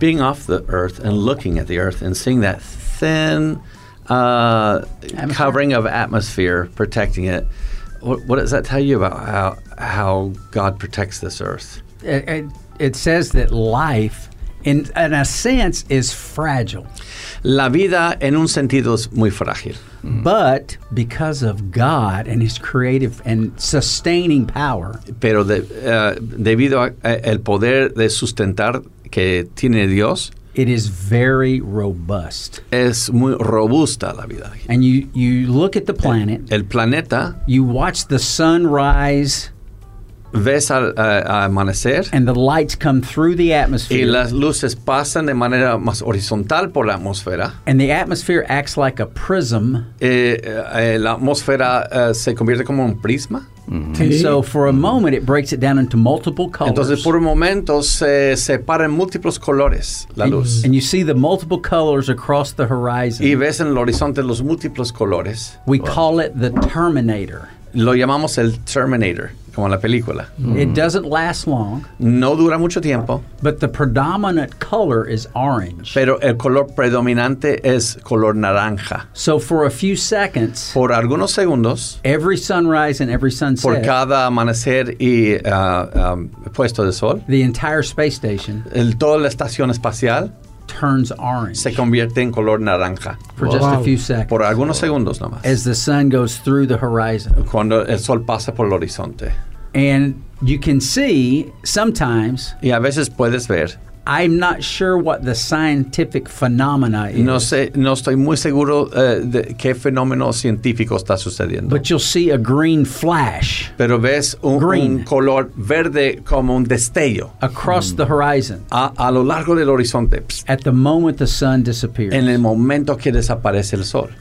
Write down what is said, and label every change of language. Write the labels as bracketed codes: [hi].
[en] Being off the earth and looking at the earth and seeing that thin covering of atmosphere protecting it. What does that tell you about how God protects this earth? It says that life, in a sense, is fragile. [es] La vida, en un sentido, es muy frágil. Mm-hmm. [en] But because of God and His creative and sustaining power. [es] Pero debido al poder de sustentar que tiene Dios. [en] It is very robust. [es] Es muy robusta la vida. [en] And you look at the planet. [es] El planeta. [en] You watch the sun rise. [es] Ves al amanecer. [en] And the lights come through the atmosphere. [es] Y las luces pasan de manera más horizontal por la atmósfera. [en] And the atmosphere acts like a prism. [es] La atmósfera se convierte como un prisma. [en] Mm-hmm. And so for a moment it breaks it down into multiple colors. [es] Entonces por un momento se separa en múltiples colores la luz. [en] And you see the multiple colors across the horizon. [es] Y ves en el horizonte los múltiples colores. [en] We call it the Terminator. [es] Lo llamamos el Terminator, como la película. [en] Mm-hmm. It doesn't last long. [es] No dura mucho tiempo. [en] But the predominant color is orange. [es] Pero el color predominante es color naranja. [en] So for a few seconds. [es] Por algunos segundos. [en] Every sunrise and every sunset. [es] Por cada amanecer y puesto de sol. [en] The entire space station. [es] Toda la estación espacial. [en] Turns orange. [es] Se convierte en color naranja. [en] For just a few seconds. [es] Por algunos segundos nomás. [en] As the sun goes through the horizon. [es] Cuando el sol pasa por el horizonte. [en] And you can see sometimes. [es] Y a veces puedes ver. [en] I'm not sure what the scientific phenomena is. [es] No sé, no estoy muy seguro de qué fenómeno científico está sucediendo. [en] But you'll see a green flash. [es] Pero ves un color verde como un destello. [en] Across the horizon. [es] A lo largo del horizonte. [en] Psst. At the moment the sun disappears. [es] En el momento que desaparece el sol.